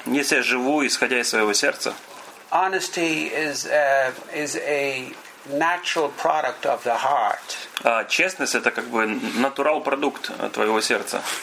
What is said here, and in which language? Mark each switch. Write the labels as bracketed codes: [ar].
[ru] если я живу, исходя из своего сердца, [en] honesty is a natural product of the heart. [ru] Честность это как бы натурал продукт твоего сердца.